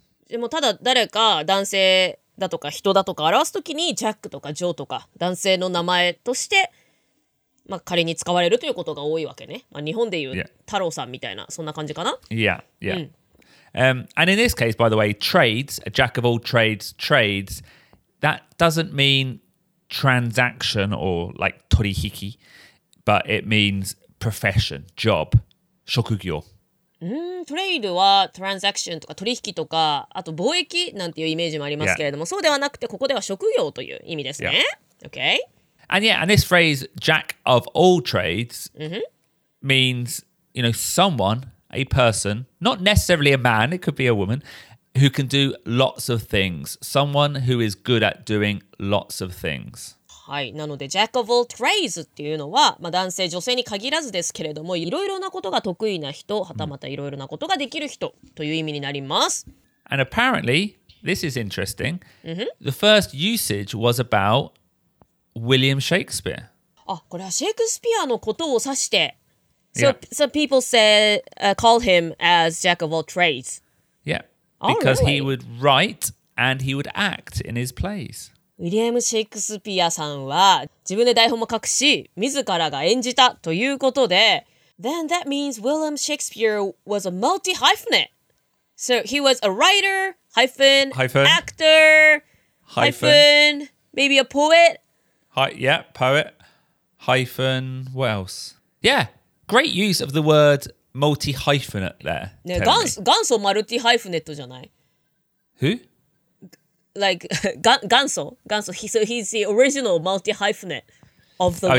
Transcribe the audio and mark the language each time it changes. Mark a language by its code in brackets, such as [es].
[ja] でもただ誰か男性だとか人だとか表すときに Jack とか Joe とか男性の名前としてまあ、仮に使われるということが多いわけね。まあ、日本で言う、 [en] yeah. [ja] 太郎さんみたいな、そんな感じかな。 [en] Yeah, yeah.、And in this case, by the way, trades, a jack of all trades, trades, that doesn't mean transaction or like 取引 but it means profession, job, 職業。 [ja] トレードは transaction とか取引とか、あと貿易なんていうイメージもありますけれども、 [en] yeah. [ja] そうではなくて、ここでは職業という意味ですね。 [en] Yeah. Okay? And yeah, and this phrase, jack of all trades,、 mm-hmm. means, you know, someone, a person, not necessarily a man, it could be a woman, who can do lots of things. Someone who is good at doing lots of things. [ja] はい、なので Jack of all trades っていうのは、まあ、男性女性に限らずですけれども、いろいろなことが得意な人、はたまたいろいろなことができる人という意味になります。 [en] And apparently, this is interesting. The first usage was about William Shakespeare. [ja] あ、これはシェイクスピアのことを指して。 [en] So, some people say, call him as Jack of all trades. Yeah, because he would write and he would act in his plays. [ja] ウィリアム・シェイクスピアさんは自分で台本も書くし、自らが演じたということで、 [en] Then that means William Shakespeare was a multi-hyphenate. So he was a writer, hyphen, hyphen. actor, hyphen, maybe a poet. Yeah, poet, hyphen, what else? Yeah. Great use of the word multi-hyphenate there. [ja] ね、元祖マルティハイフネットじゃない? [en] Who? Like, 元祖? 元祖, so he's the original multi-hyphenate of the world.